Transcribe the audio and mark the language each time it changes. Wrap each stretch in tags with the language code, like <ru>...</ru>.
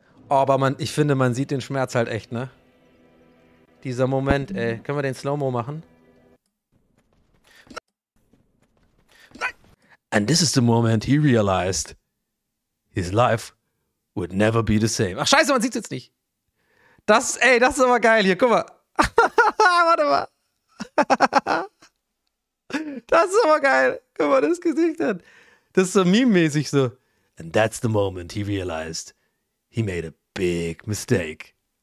<de>Oh, aber ich finde, man sieht den Schmerz halt echt, ne? Dieser Moment, ey. Können wir den Slow-Mo machen? Nein.</de> <en>And this is the moment he realized his life would never be the same.</en> <de>Ach, scheiße, man sieht's jetzt nicht. Das ist aber geil hier, guck mal. Warte mal. Das ist aber geil. Guck mal, das Gesicht hat. Das ist so meme-mäßig so.</de> <en>And that's the moment he realized he made a big mistake.</en>